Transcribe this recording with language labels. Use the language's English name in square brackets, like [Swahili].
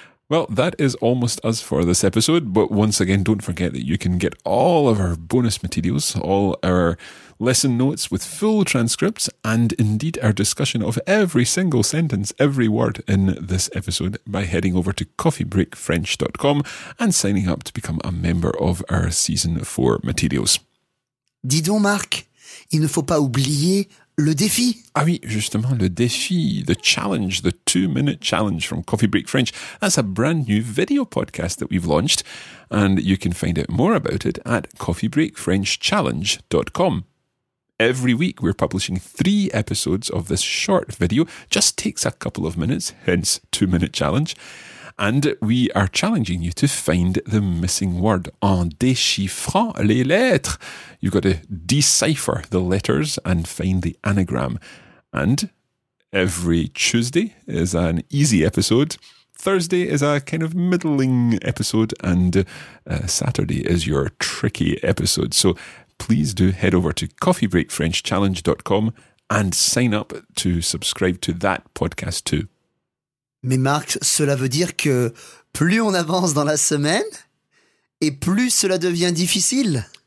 [English] Well, that is almost us for this episode. But once again, don't forget that you can get all of our bonus materials, all our lesson notes with full transcripts, and indeed our discussion of every single sentence, every word in this episode, by heading over to coffeebreakfrench.com and signing up to become a member of our Season 4 materials. [French] Dis donc, Marc, il ne faut pas oublier le défi. Ah oui, justement, le défi, [English] the challenge, the two-minute challenge from Coffee Break French. That's a brand new video podcast that we've launched, and you can find out more about it at coffeebreakfrenchchallenge.com. Every week, we're publishing three episodes of this short video. Just takes a couple of minutes, hence two-minute challenge. And we are challenging you to find the missing word [French] en déchiffrant les lettres. [English] You've got to decipher the letters and find the anagram. And every Tuesday is an easy episode. Thursday is a kind of middling episode. And Saturday is your tricky episode. So please do head over to coffeebreakfrenchchallenge.com and sign up to subscribe to that podcast too. [French] Mais Marc, cela veut dire que plus on avance dans la semaine, et plus cela devient difficile.